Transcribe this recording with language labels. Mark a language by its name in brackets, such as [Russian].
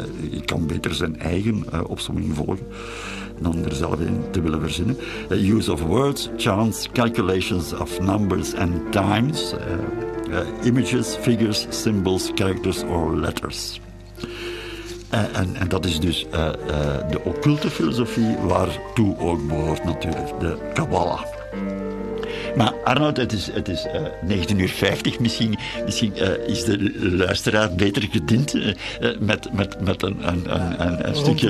[Dutch] ik kan beter zijn eigen opsomming volgen dan er zelf in te willen verzinnen. [English] Use of words, chance, calculations of numbers and times, images, figures, symbols, characters or letters. [Dutch] En dat is dus de occulte filosofie, waartoe ook behoort natuurlijk de Kabbala. Maar Arnoud, het is 19:50. Misschien is de luisteraar beter gediend met een stukje